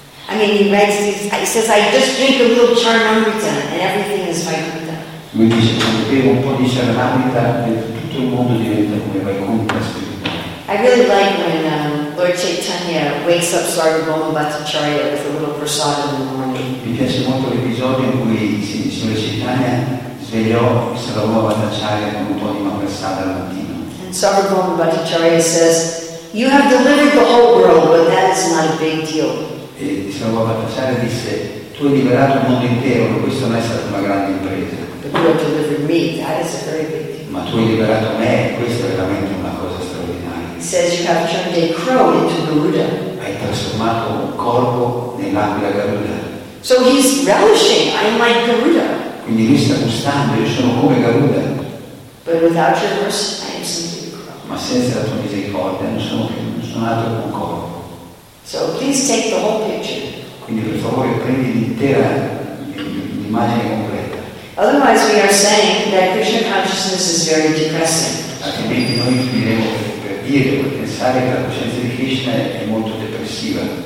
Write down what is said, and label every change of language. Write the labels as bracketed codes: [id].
[en] I mean, he writes these, he says, I just drink a little charanamrita and everything is Vaikuntha. [it] Lui dice, quando bevo un po' di charanamrita, tutto il mondo diventa come Vaikuntha spirituale. [en] I really like when Lord Chaitanya wakes up Sarvabhauma Bhattacharya with a little prasad in the morning. [it] Mi piace molto l'episodio in cui il signor Chaitanya svegliò Sarvabhauma Bhattacharya con un po' di prasada al mattino. [en] And Sarvabhauma Bhattacharya says, you have delivered the whole world, but that is not a big deal. [it] E Sarvabhauma Bhattacharya disse, tu hai liberato il mondo intero, ma questa non è stata una grande impresa. [en] But you have delivered me, that is a very big deal. [it] Ma tu hai liberato me, questa è veramente una cosa straordinaria. [en] He says you have turned a crow into Garuda. [it] Hai trasformato un corvo nell'aquila Garuda. [en] So he's relishing, I'm like Garuda. [it] Quindi lui sta gustando, io sono come Garuda. [en] But without your mercy, I am simply a crow. [it] Ma senza la tua misericordia non sono altro che un corvo. [en] So please take the whole picture. [it] Quindi per favore prendi l'intera immagine completa. [en] Otherwise we are saying that Krishna consciousness is very depressing. [it] Altrimenti noi diremo per dire, per pensare che la coscienza di Krishna è molto depressiva.